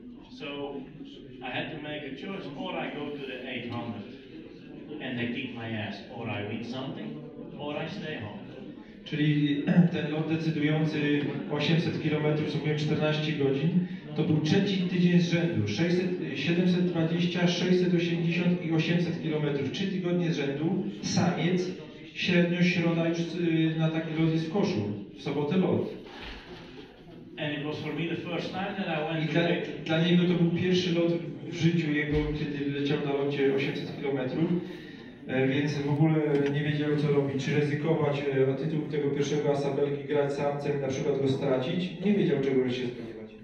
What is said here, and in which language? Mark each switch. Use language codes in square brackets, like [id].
[en] So I had to make a choice, or I go to the 800 and they kick my ass, or I win something, or I stay home. [pl] Czyli ten lot decydujący 800 km, w sumie 14 godzin, to był trzeci tydzień z rzędu. 600, 720, 680 i 800 km. 3 tygodnie z rędu, samiec, średnio środa już na taki lot jest w koszu. W sobotę lot. [en] And it was for me the first time that I went. [pl] I dla niego to był pierwszy lot w życiu jego, kiedy leciał na locie 800 km. Więc w ogóle nie wiedział, co robić, czy ryzykować tytuł tego pierwszego asa Belgii, grać sam, cel na przykład go stracić. Nie wiedział, czego się spodziewać.